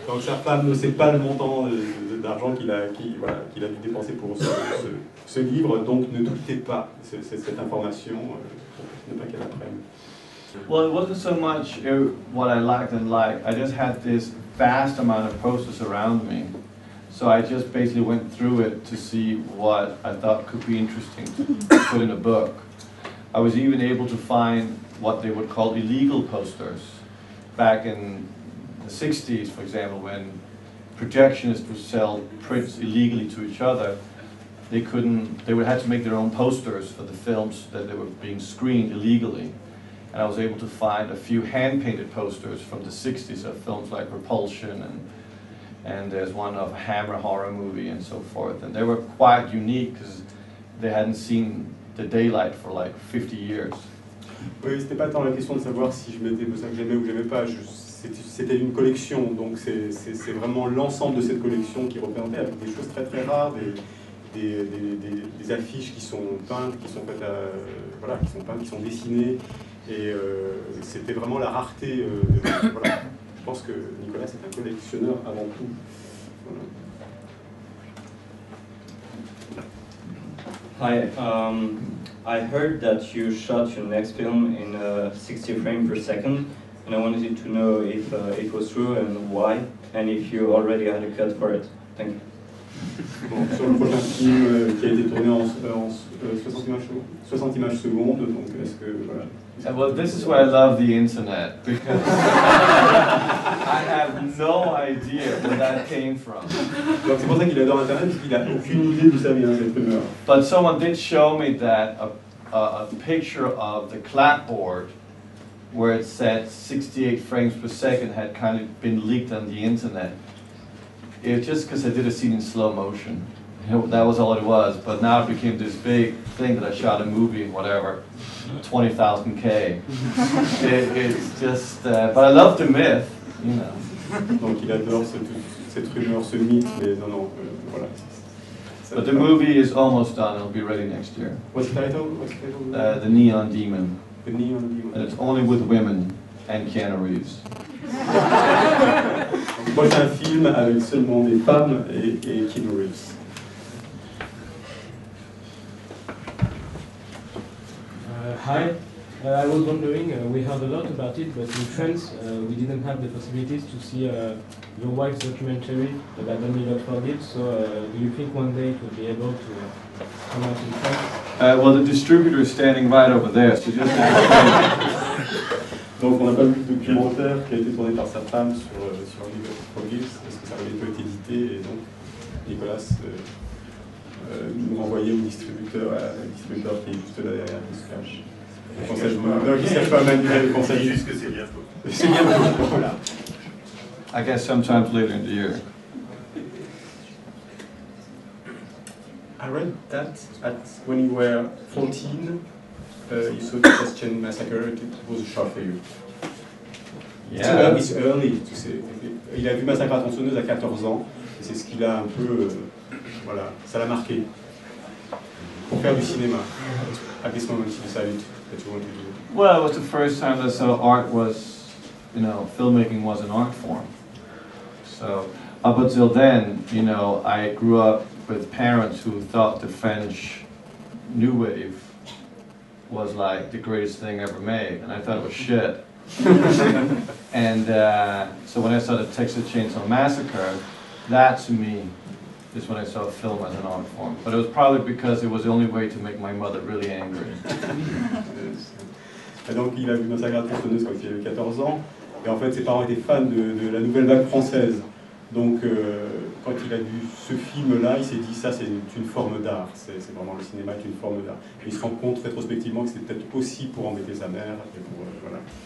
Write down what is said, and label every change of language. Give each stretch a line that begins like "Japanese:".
French: Donc sa femme ne sait pas le montant d'argent qu'il a dû dépenser pour ce livre. Donc ne tweetez pas cette information, ne pas qu'elle apprenne.
English: Well, it wasn't so much what I lacked and liked. I just had this vast amount of posters around me. So I just basically went through it to see what I thought could be interesting to put in a book. I was even able to find what they would call illegal posters. Back in the 60s, for example, when projectionists would sell prints illegally to each other, they would have to make their own posters for the films that they were being screened illegally. And I was able to find a few hand-painted posters from the 60s of films like Repulsion, and there's one of a Hammer horror movie and so forth. And they were quite unique because they hadn't seen the daylight for like 50 years.
French: Oui, c'était pas tant la question de savoir si je mettais ça que j'aimais ou que j'aimais pas. C'était une collection, donc c'est vraiment l'ensemble de cette collection qui représentait avec des choses très très rares, des affiches qui sont peintes, qui sont faites, qui sont dessinées. Et c'était vraiment la rareté. Voilà. Je pense que Nicolas est un collectionneur avant tout. Voilà.
English: Hi, I heard that you shot your next film in 60 frames per second, and I wanted to know if it was true and why, and if you already had a cut for it. Thank you.
French: Bon, sur le prochain film qui a été tourné en 60 images secondes, donc est-ce que voilà.
English: And well, this is why I love the internet, because I have no idea where that came from.
French: Donc c'est pour ça qu'il adore internet, parce qu'il a aucune idée d'où ça vient, cette rumeur.
English: But someone did show me that a picture of the clapboard where it said 68 frames per second had kind of been leaked on the internet. It's just because I did a scene in slow motion. That was all it was, but now it became this big thing that I shot a movie and whatever, 20,000K. It's just, but I love the myth, you know.
French: Donc il adore cette rumeur, ce mythe, mais non, voilà.
English: But the movie is almost done, it'll be ready next year. What's the title? What's the title? The Neon Demon. The Neon Demon. And it's only with women and Keanu Reeves.
French: Prochain film avec seulement des femmes et Keanu Reeves.
English: Hi, I was wondering, we heard a lot about it, but in France, we didn't have the possibilities to see your wife's documentary about the Nicolas Winding Refn, so do you think one day it will be able to come out in France? Well, the distributor is standing right over there, so just...
French: Donc on n'a pas vu le documentaire qui a été tourné par sa femme sur, sur un livre pour Gibbs, parce que ça avait été édité, et donc Nicolas nous renvoyait au distributeur, distributeur qui est juste là derrière, qui se cache.
English: I guess sometimes later in the year. I read that at when you were 14, you saw the Chechen massacre. It was a shock for you. Yeah. Too early to say.
French: Il a vu massacre à tronçonneuse à 14 ans. C'est ce qu'il a un peu, voilà, ça l'a marqué. Pour faire du cinéma.
English: At this moment, he decided. Well, it was the first time that so art was, you know, filmmaking was an art form. So up until then, you know, I grew up with parents who thought the French New Wave was like the greatest thing ever made, and I thought it was shit. And so when I saw the Texas Chainsaw Massacre, that to me is when I saw film as an art form. But it was probably because it was the only way to make my mother really angry.
French: Et donc il a vu Massacre à la tronçonneuse quand il avait 14 ans, et en fait ses parents étaient fans de la nouvelle vague française. Donc quand il a vu ce film-là, il s'est dit ça c'est une forme d'art, c'est vraiment le cinéma est une forme d'art. Et il se rend compte rétrospectivement que c'était peut-être aussi pour embêter sa mère, et pour, voilà.